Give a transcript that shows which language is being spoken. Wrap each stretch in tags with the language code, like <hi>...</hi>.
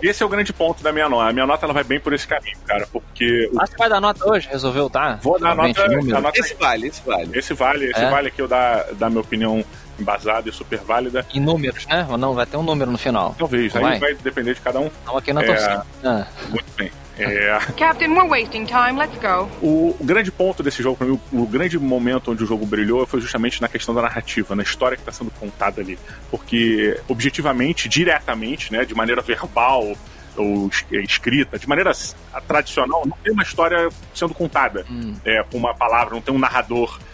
<pt>Esse é o grande ponto da minha nota. A minha nota ela vai bem por esse caminho, cara. Porque. Ah, você vai dar nota hoje? Resolveu, tá? Vou dar nota. Esse vale aqui eu dar minha opinião embasada e super válida. Em números, né? Ou não, vai ter um número no final. Talvez, não aí vai depender de cada um. Não, aqui na torcida. Muito bem.</pt> <en>Captain, we're wasting time, let's go.</en> <pt>O grande ponto desse jogo, pra mim, o grande momento onde o jogo brilhou foi justamente na questão da narrativa, na história que tá sendo contada ali. Porque objetivamente, diretamente, né, de maneira verbal ou escrita, de maneira tradicional, não tem uma história sendo contada com uma palavra, não tem um narrador.</pt>